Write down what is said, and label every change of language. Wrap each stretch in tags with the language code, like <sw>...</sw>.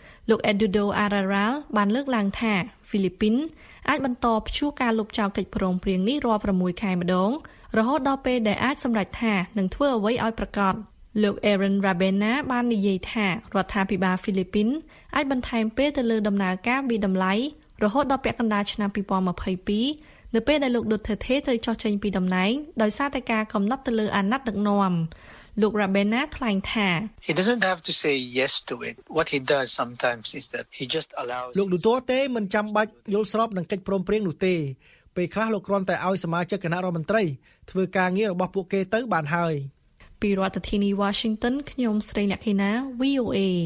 <km>លោក Eduardo Aral បានលើកឡើងថាហ្វីលីពីនអាចបន្តផ្ជួសការលុបចោលកិច្ចព្រមព្រៀងនេះរាល់6ខែម្ដងរហូតដល់ពេលដែលអាចសម្រេចថានឹងធ្វើអ្វីឲ្យប្រកបលោក Aaron Rabena បាននិយាយថារដ្ឋាភិបាលហ្វីលីពីនអាចបន្ថែមពេលទៅលើដំណើរការវិដំឡៃរហូតដល់ពាក់កណ្ដាលឆ្នាំ2022 នៅពេលដែលលោកដូទេតេត្រូវចោះចេញពីតំណែងដោយសារតែការកំណត់ទៅលើអាណត្តិដឹកនាំលោករ៉ាបេណាថ្លែងថា</km> <en>He doesn't have to say yes to it. What he does sometimes is that he just allows</en> <km>លោកដូទេមិនចាំបាច់យល់ស្របនឹងកិច្ចព្រមព្រៀងនោះទេពេលខ្លះលោកគ្រាន់តែឲ្យសមាជិកគណៈរដ្ឋមន្ត្រីធ្វើការងាររបស់ពួកគេទៅបានហើយ ពីរដ្ឋធានី Washington ខ្ញុំស្រីលក្ខិណា VOA</km>